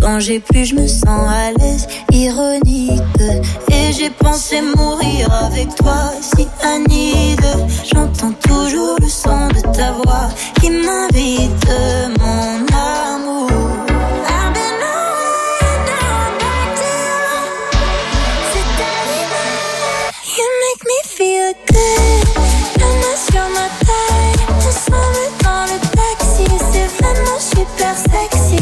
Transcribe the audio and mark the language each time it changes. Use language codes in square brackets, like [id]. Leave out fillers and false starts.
[fr] Et plus je me sens à l'aise, ironique. Et j'ai pensé mourir avec toi, cyanide. J'entends toujours le son de ta voix qui m'invite, mon amour. [en] I've been on and on back to you. You make me feel good. [fr] La main sur ma taille, on s'en va dans le taxi. C'est vraiment super sexy.